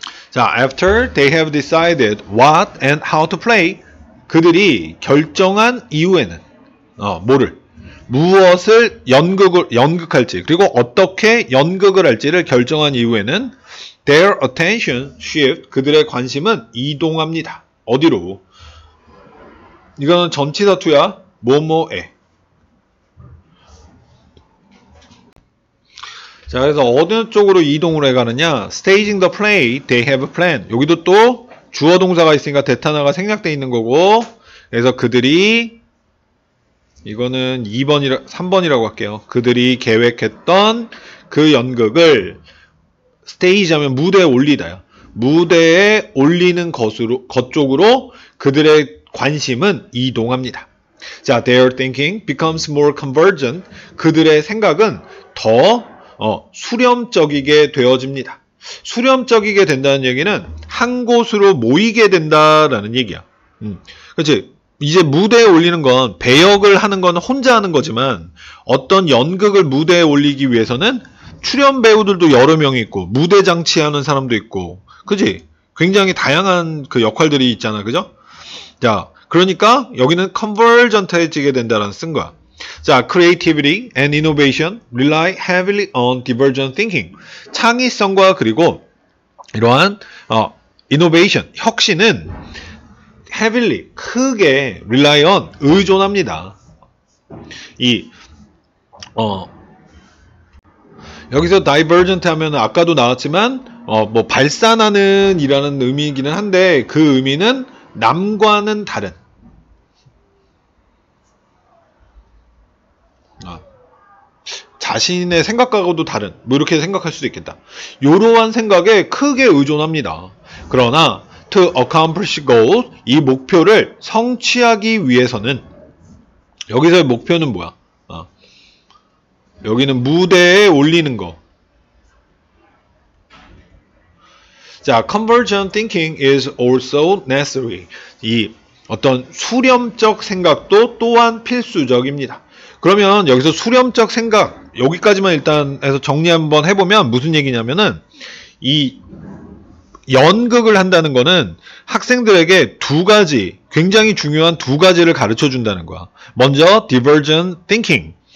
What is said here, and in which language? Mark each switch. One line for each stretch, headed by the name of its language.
Korean: 자,
English: after they have decided what and how to play,
Korean: 그들이 결정한 이후에는 뭐를 무엇을 연극할지 그리고 어떻게 연극을 할지를 결정한 이후에는
English: their attention shift
Korean: 그들의 관심은 이동합니다. 어디로? 이거는 전치사투야. 뭐뭐에. 자, 그래서 어느 쪽으로 이동을 해 가느냐?
English: staging the play they have planned.
Korean: 여기도 또 주어 동사가 있으니까 대타나가 생략돼 있는 거고. 그래서 그들이 이거는 3번이라고 할게요. 그들이 계획했던 그 연극을 stage 하면 무대에 올리다요. 무대에 올리는 것 쪽으로 그들의 관심은 이동합니다.
English: 자, their thinking becomes more convergent.
Korean: 그들의 생각은 더 수렴적이게 되어집니다. 수렴적이게 된다는 얘기는 한 곳으로 모이게 된다라는 얘기야. 그렇지. 이제 무대에 올리는 건 배역을 하는 건 혼자 하는 거지만 어떤 연극을 무대에 올리기 위해서는 출연 배우들도 여러 명 있고 무대 장치하는 사람도 있고, 그렇지? 굉장히 다양한 그 역할들이 있잖아, 그죠? 자, 그러니까 여기는 convergent해지게 된다라는 쓴 거야.
English: 자, creativity and innovation rely heavily on divergent thinking.
Korean: 창의성과 그리고 이러한 innovation, 혁신은 heavily, 크게 rely on, 의존합니다. 여기서 divergent 하면 아까도 나왔지만 발산하는 이라는 의미이기는 한데 그 의미는 남과는 다른. 자신의 생각하고도 다른, 뭐 이렇게 생각할 수도 있겠다. 이러한 생각에 크게 의존합니다. 그러나
English: to accomplish goals,
Korean: 이 목표를 성취하기 위해서는, 여기서의 목표는 뭐야? 여기는 무대에 올리는 거.
English: 자, convergent thinking is also necessary.
Korean: 이 어떤 수렴적 생각도 또한 필수적입니다. 그러면 여기서 수렴적 생각, 여기까지만 일단 해서 정리 한번 해보면 무슨 얘기냐면은 이 연극을 한다는 거는 학생들에게 두 가지, 굉장히 중요한 두 가지를 가르쳐 준다는 거야. 먼저 divergent thinking.